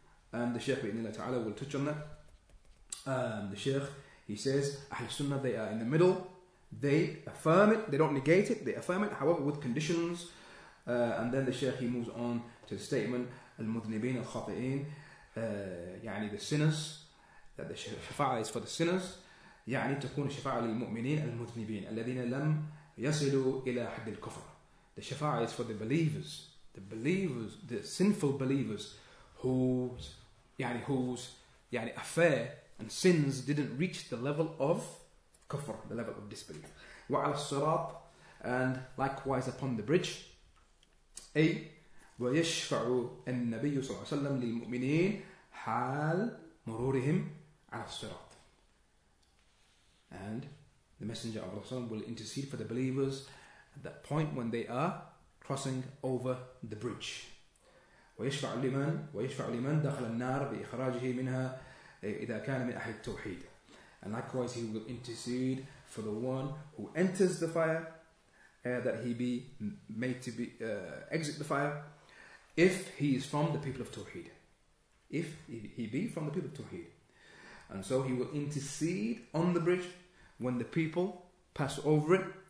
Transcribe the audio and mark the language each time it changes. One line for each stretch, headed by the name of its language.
English: And the Shaykh Ibn Allah Ta'ala will touch on that. The Shaykh, he says, Ahl Sunnah, they are in the middle. They affirm it, they don't negate it, they affirm it, however, with conditions. And then the Shaykh, he moves on to the statement, Al-Mudnibin Al-Khati'in, يعني the sinners, that the shafa'ah is for the sinners.
Arabic: يعني تكون شفاعه للمؤمنين المذنبين الذين لم يصلوا إلى حد الكفر.
English: The shafa'ah is for the believers, the sinful believers, whose affair and sins didn't reach the level of kufr, the level of disbelief.
Arabic: وعلى الصراط,
English: and likewise upon the bridge.
Arabic: A, ويشفع النبي صلى الله عليه وسلم للمؤمنين حال مرورهم على الصراط.
English: And the Messenger of Allah will intercede for the believers at that point when they are crossing over the bridge.
Arabic: ويشفع لمن ويشفع لمن دخل النار بإخراجه منها إذا كان من أهل التوحيد.
English: And likewise, he will intercede for the one who enters the fire, that he be made to be exit the fire, if he is from the people of Tawheed. If he be from the people of Tawheed. And so he will intercede on the bridge when the people pass over it.